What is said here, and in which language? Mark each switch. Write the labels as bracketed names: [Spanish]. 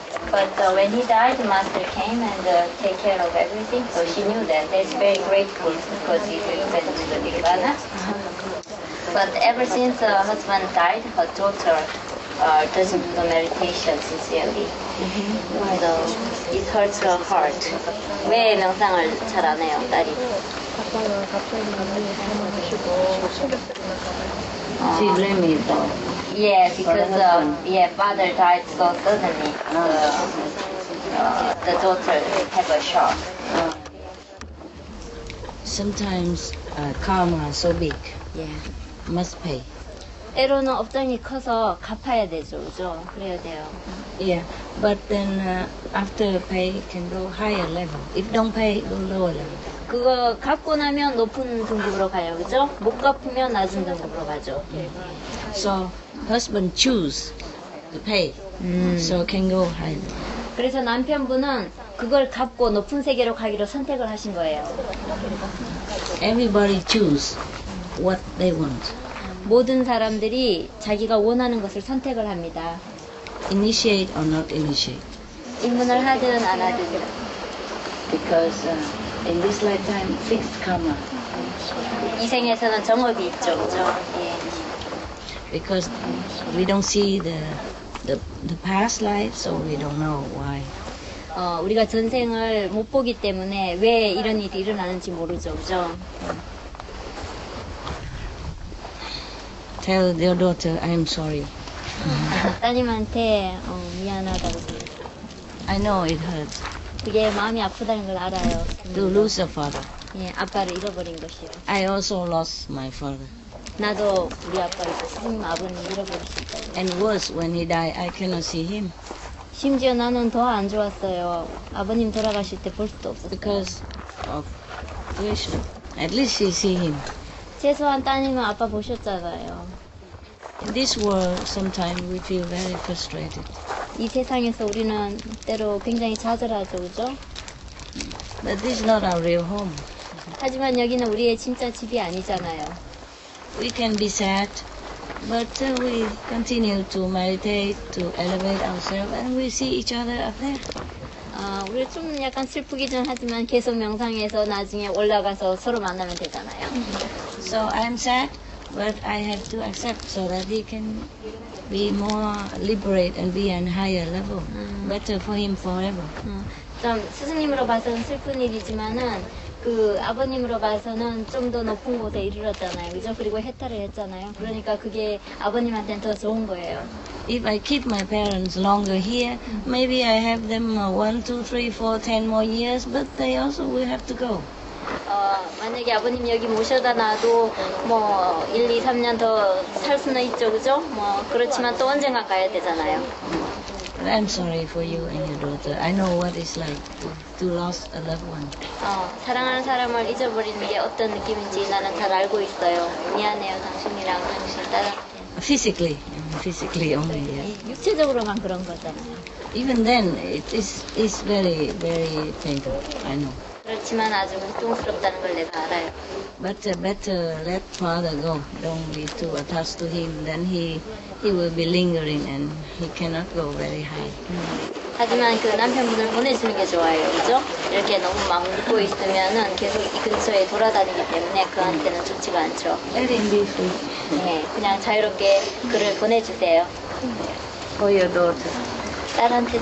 [English] But when he died, Master came and take care of everything. So she knew that. That's very grateful because he's a friend of the Nirvana. But ever since her husband died, her daughter doesn't do the meditation sincerely. Mm-hmm. So it hurts her heart. [Korean] 왜 명상을 잘 안 해요, 딸이? [English] She blame me though. Yeah, because father died so suddenly. The daughter have a shock. Sometimes karma is so big. Yeah. Must pay. [Korean] 애로는 업장이 커서 갚아야 되죠, 그죠? 그래야 돼요. [English] Yeah, but then after pay can go higher level. If don't pay, go lower level. [Korean] 그거 갚고 나면 높은 등급으로 가요, 그죠? 못 갚으면 낮은 등급으로 가죠. [English] So husband choose to pay, so can go higher. [Korean] 그래서 남편분은 그걸 갚고 높은 세계로 가기로 선택을 하신 거예요. [English] Everybody choose what they want. [Korean] 모든 사람들이 자기가 원하는 것을 선택을 합니다. [English] Initiate or not initiate? [Korean] 입문을 하든 안 하든. [English] Because in this lifetime, fixed karma. [Korean] 이 생에서는 정업이 있죠, 그렇죠? [English] Because we don't see the past life, so we don't know why. [Korean] 우리가 전생을 못 보기 때문에 왜 이런 일이 일어나는지 모르죠, 그죠? [English] Tell your daughter I'm sorry. [Korean] 따님한테 미안하다고. [English] I know it hurts. [Korean] 그게 마음이 아프다는 걸 알아요. [English] To lose a father. [Korean] 예, 아빠를 잃어버린 것이요. [English] I also lost my father. [Korean] 나도 우리 아빠를 선생님 아버님 잃어버렸습니다. [English] And worse, when he died, I cannot see him. [Korean] 심지어 나는 더 안 좋았어요. 아버님 돌아가실 때 볼 수도 없었어요. [English] Because of Krishna. At least she see him. [Korean] 최소한 따님은 아빠 보셨잖아요. [English] In this world, sometimes we feel very frustrated. [Korean] 이 세상에서 우리는 때로 굉장히 좌절하죠, 그죠? [English] But this is not our real home. [Korean] 하지만 여기는 우리의 진짜 집이 아니잖아요. [English] We can be sad, but we continue to meditate, to elevate ourselves, and we see each other up there. [Korean] 우리 좀 약간 슬프기는 하지만 계속 명상해서 나중에 올라가서 서로 만나면 되잖아요. [English] So I'm sad, but I have to accept so that he can be more liberate and be on higher level. Better for him forever. [Korean] 좀 스승님으로 봐서는 슬픈 일이지만은 그 아버님으로 봐서는 좀 더 높은 곳에 이르렀잖아요. 그죠? 그리고 해탈을 했잖아요. 그러니까 그게 아버님한테는 더 좋은 거예요. [English] If I keep my parents longer here, maybe I have them 1, 2, 3, 4, 10 more years, but they also will have to go. [Korean] 만약에 아버님 여기 모셔다 놔도 뭐 1, 2, 3년 더 살 수는 있죠, 그죠? 뭐 그렇지만 또 언젠가 가야 되잖아요. [English] I'm sorry for you and your daughter. I know what it's like to lose a loved one. [Korean] 사랑하는 사람을 잊어버리는 게 어떤 느낌인지 나는 잘 알고 있어요. 미안해요, 당신이랑 당신 따라. [English] Physically only. Yeah. [Korean] 육체적으로만 그런 거잖아요. [English] Even then, it's very, very painful. I know. [Korean] 그렇지만 아주 고통스럽다는 걸 내가 알아요. [English] Better let father go. Don't be too attached to him. Then he will be lingering and he cannot go very high. [Korean] 하지만 그 남편분을 보내주는 게 좋아요, 그죠? 이렇게 너무 막 묶고 있으면은 계속 이 근처에 돌아다니기 때문에 그한테는 좋지가 않죠. [English] Let him be free. [Korean] 네, 그냥 자유롭게 그를 보내주세요. [English] For your daughter. [Korean] 딸한테